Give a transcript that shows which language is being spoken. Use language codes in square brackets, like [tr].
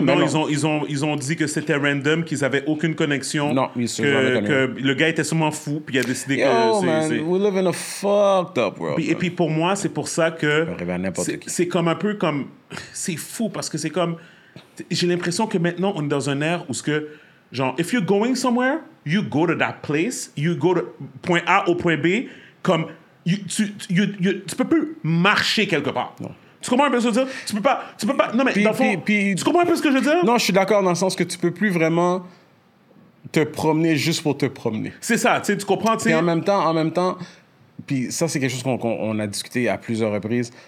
[fr] Non, ils ont dit que c'était random, qu'ils n'avaient aucune connexion. Non, ils se que le gars était sûrement fou, puis il a décidé [en] Yo, [fr] que... [en] Yo, man, we live in a fucked up world. [fr] Et puis pour moi, c'est pour ça que... C'est comme un peu comme... C'est fou parce que c'est comme... J'ai l'impression que maintenant, on est dans un ère où ce que... [en] Genre, if you're going somewhere, you go to that place, you go to point A [fr] au point B, comme... Tu peux plus marcher quelque part. Non. Tu comprends un peu ce que je veux dire? Tu peux pas. Non, mais dans le fond. Tu comprends un peu ce que je veux dire? Non, je suis d'accord dans le sens que tu peux plus vraiment te promener juste pour te promener. C'est ça, tu sais, tu comprends, tu sais. Et en même temps, puis ça, c'est quelque chose qu'on a discuté à plusieurs reprises.